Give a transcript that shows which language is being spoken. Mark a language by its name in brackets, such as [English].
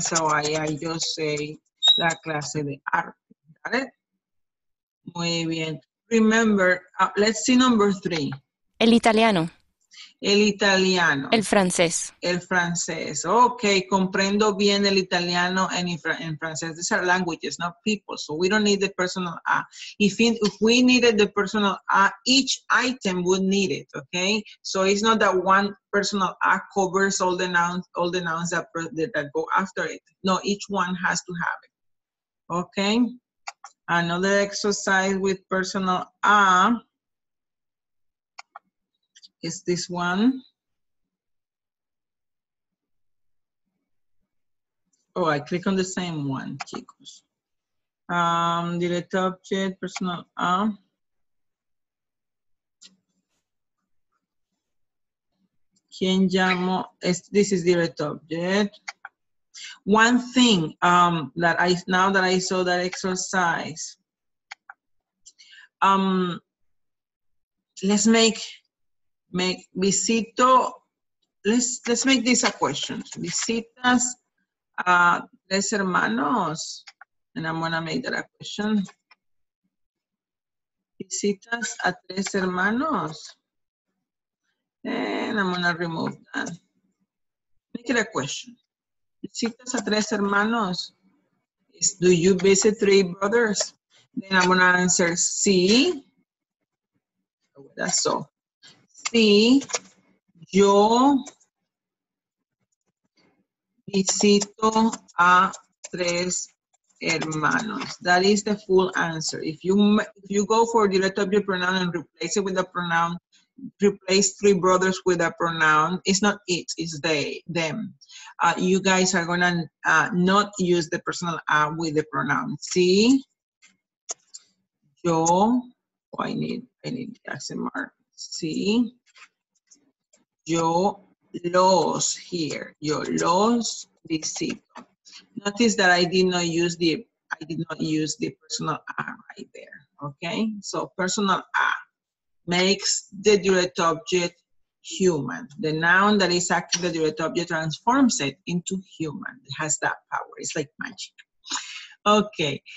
[English] So I just say [Spanish] la clase de arte. [English] Got it? [Spanish] Muy bien. [English] Remember, let's see number three. [Spanish] El italiano. El italiano. El francés. El francés. Ok, comprendo bien el italiano and en francés. [English] These are languages, not people. So we don't need the personal A. If we needed the personal A, each item would need it, okay? So it's not that one personal A covers all the nouns that go after it. No, each one has to have it, okay? Another exercise with personal A is this one. Oh, I click on the same one, chicos. Direct object, personal A. [Spanish] ¿Quién llamo? [English] This is direct object. One thing that I saw that exercise. Let's make visito. Let's make this a question. [Spanish] Visitas a tres hermanos. [English] And I'm gonna make that a question. [Spanish] Visitas a tres hermanos. [English] And I'm gonna remove that. Make it a question. [Spanish] Visitas a tres hermanos. [English] Do you visit three brothers? Then I'm gonna answer sí. That's so. [Spanish] Sí, yo visito a tres hermanos. [English] That is the full answer. If you go for direct object pronoun and replace it with a pronoun, replace three brothers with a pronoun, it's not it, it's they, them. You guys are gonna not use the personal A with the pronoun. [Spanish] Sí, yo, [English] oh, I need the accent mark. [Spanish] Sí, yo los here, yo los visito. [English] Notice that I did not use the personal A right there, okay? So personal A makes the direct object human. The noun that is acting the direct object transforms it into human. It has that power. It's like magic. Okay.